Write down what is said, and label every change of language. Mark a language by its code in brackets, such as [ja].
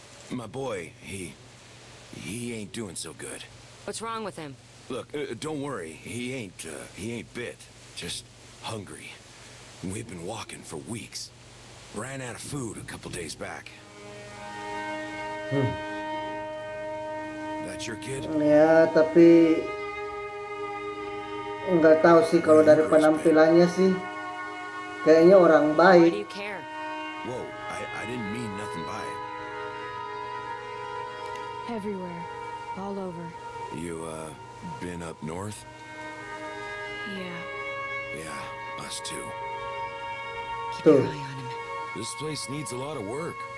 [en] My boy, he ain't doing so good. What's wrong with him? Look, don't worry. He ain't bit. Just hungry. We've been walking for weeks. Ran out of food a couple days back. That's your kid? [id] Ya, tapi nggak tahu sih kalau dari penampilannya sih kayaknya orang baik. [en] Whoa, I didn't mean nothing by it. Everywhere, all over. You been up north? Yeah. Yeah, us too. Keep an eye on him. This place needs a lot of work.